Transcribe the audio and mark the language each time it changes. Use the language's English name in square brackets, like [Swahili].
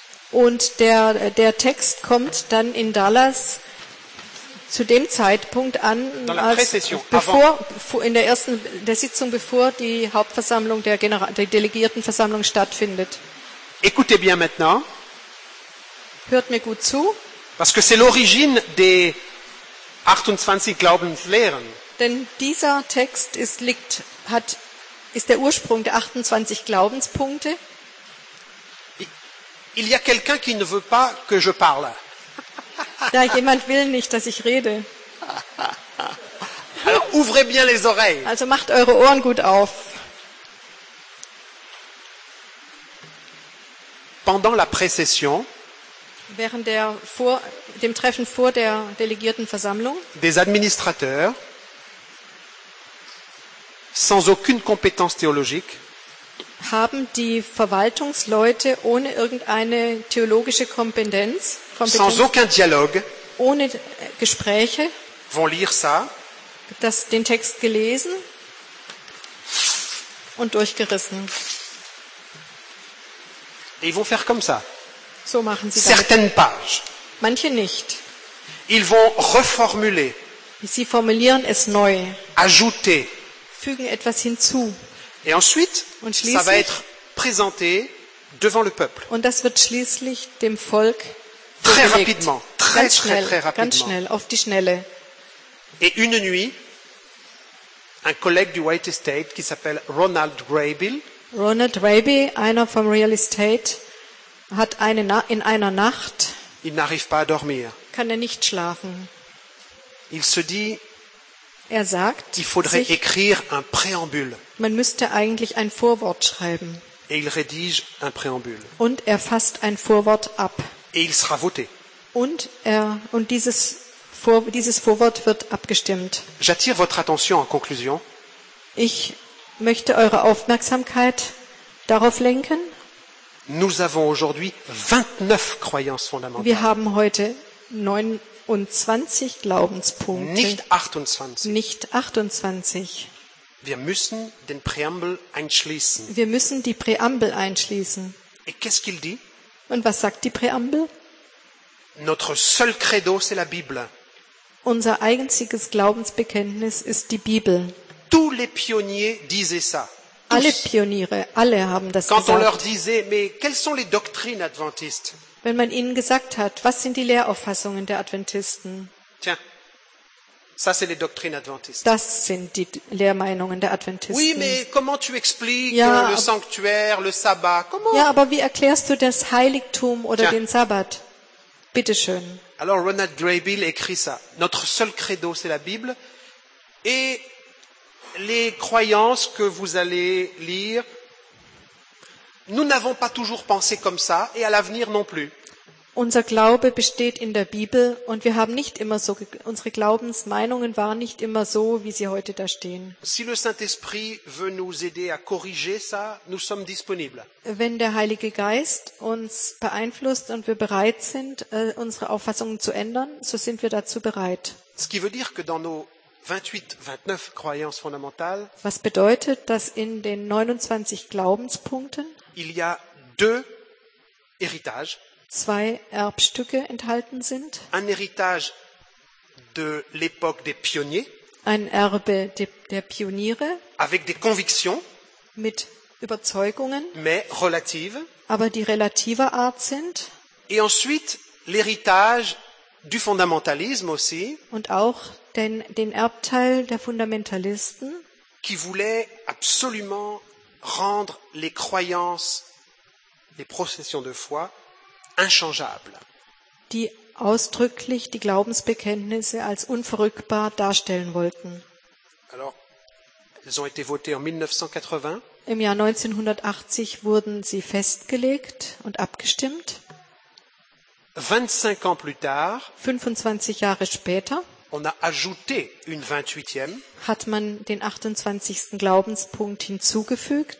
[German] Und der Text kommt dann in Dallas zu dem Zeitpunkt an, in der Sitzung, bevor die Hauptversammlung der Delegiertenversammlung stattfindet. [French] Écoutez bien maintenant. [German] Hört mir gut zu. [French] Parce que c'est l'origine des 28 Glaubenslehren. [German] Denn dieser Text ist der Ursprung der 28 Glaubenspunkte. [French] Il y a quelqu'un qui ne veut pas que je parle. [German] Da jemand will nicht, dass ich rede. [French] Alors, ouvrez bien les oreilles. [German] Also macht eure Ohren gut auf. [French] Pendant la précession, [German] während dem Treffen vor der Delegiertenversammlung, [French] des administrateurs, sans aucune compétence théologique, [German] haben die Verwaltungsleute ohne irgendeine theologische Kompetenz, [French] sans aucun dialogue, [German] ohne Gespräche, [French] vont lire ça, [German] den Text gelesen und durchgerissen. [French] Et ils vont faire comme ça. [German] So machen sie [French] certaines pages. [German] Manche nicht. [French] Ils vont reformuler. [German] Sie formulieren es neu. [French] Ajouter. [German] Fügen etwas hinzu. [French] Et ensuite, [German] und schließlich, [French] ça va être présenté devant le peuple. [German] Und das wird schließlich dem Volk [French] très rapidement, très, [German] ganz schnell, [French] très, très rapidement. [German] Ganz schnell, auf die Schnelle. [French] Et une nuit, un collègue du White Estate qui s'appelle Ronald Raybill. [German] Ronald Raybill, einer vom Real Estate, hat in einer Nacht, [French] il n'arrive pas à dormir. [German] Kann nicht schlafen. [French] Il se dit, [German] er sagt, [French] il faudrait écrire un préambule. [German] Man müsste eigentlich ein Vorwort schreiben. [French] Et il rédige un préambule. [German] Und er fasst ein Vorwort ab. [French] Et il sera voté. [German] Und dieses Vorwort wird abgestimmt. [French] J'attire votre attention en conclusion. [German] Ich möchte eure Aufmerksamkeit darauf lenken. [French] Nous avons aujourd'hui 29 croyances fondamentales. [German] Wir haben heute 29 Glaubenspunkte. Nicht 28. Wir müssen die Präambel einschließen. [French] Et qu'est-ce qu'il dit? [German] Und was sagt die Präambel? [French] Notre seul credo, c'est la Bible. [German] Unser einziges Glaubensbekenntnis ist die Bibel. [French] Tous les pionniers disaient ça. [German] alle Pioniere, alle haben das [French] quand [German] gesagt. [French] On leur disait, mais quelles sont les doctrines adventistes? [German] Wenn man ihnen gesagt hat, was sind die Lehrauffassungen der Adventisten? [French] Tiens. Ça, c'est les doctrines adventistes. [German] Das sind die Lehrmeinungen der Adventisten. [French] Oui, mais comment tu expliques ja, le sanctuaire, le sabbat? Comment? [German] Ja, aber wie erklärst du das Heiligtum oder [French] Tiens. [German] Den Sabbat? Bitte schön. [French] Alors Ronald Graybill écrit ça. Notre seul credo, c'est la Bible. Et les croyances que vous allez lire, nous n'avons pas toujours pensé comme ça, et à l'avenir non plus. [German] Unser Glaube besteht in der Bibel und wir haben nicht immer so, unsere Glaubensmeinungen waren nicht immer so, wie sie heute da stehen. [French] Si le Saint-Esprit veut nous aider à corriger ça, nous sommes disponibles. [German] Wenn der Heilige Geist uns beeinflusst und wir bereit sind, unsere Auffassungen zu ändern, so sind wir dazu bereit. [French] Ce qui veut dire que dans nos 28, 29 croyances fondamentales, [German] was bedeutet, dass in den 29 Glaubenspunkten [French] il y a deux héritages, [German] zwei Erbstücke enthalten sind. [French] Un héritage de l'époque des pionniers, [German] ein Erbe der Pioniere [French] avec des convictions, [German] mit Überzeugungen, [French] mais relative, [German] aber die relativer Art sind. [French] Et ensuite, l'héritage du fondamentalisme aussi, [German] und auch den Erbteil der Fundamentalisten, [French] qui voulait absolument rendre les croyances, les processions de foi, inchangeable. [German] Die ausdrücklich die Glaubensbekenntnisse als unverrückbar darstellen wollten. [French] Alors, elles ont été votées en 1980. [German] Im Jahr 1980 wurden sie festgelegt und abgestimmt. [French] 25 ans plus tard, [German] 25 Jahre später, [French] on a ajouté une 28e, [German] hat man den 28. Glaubenspunkt hinzugefügt.